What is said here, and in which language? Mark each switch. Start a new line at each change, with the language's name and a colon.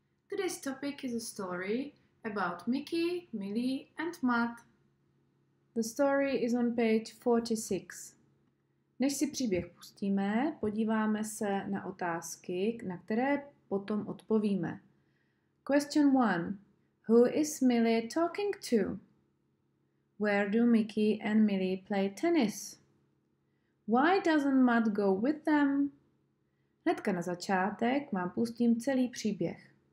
English: Today's topic is a story about Mickey, Millie, and Matt. The story is on page 46.
Czech: Než si příběh pustíme, podíváme se na otázky, na které potom odpovíme.
English: Question 1. Who is Millie talking to? Where do Mickey and Millie play tennis? Why doesn't Matt go with them?
Czech: Hnedka na začátek vám pustím celý příběh.